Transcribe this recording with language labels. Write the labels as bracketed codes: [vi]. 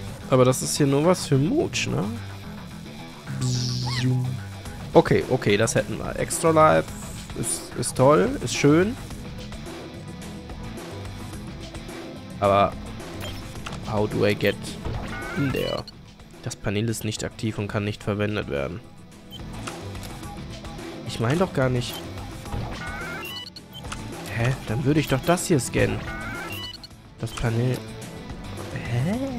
[de] Aber das ist hier nur was für Mooch, ne? Okay, das hätten wir. Extra Life ist toll, ist schön. [en] Aber how do I get in there? [de] Das Panel ist nicht aktiv und kann nicht verwendet werden. Ich meine doch gar nicht. Hä? Dann würde ich doch das hier scannen. Das Panel. Hä?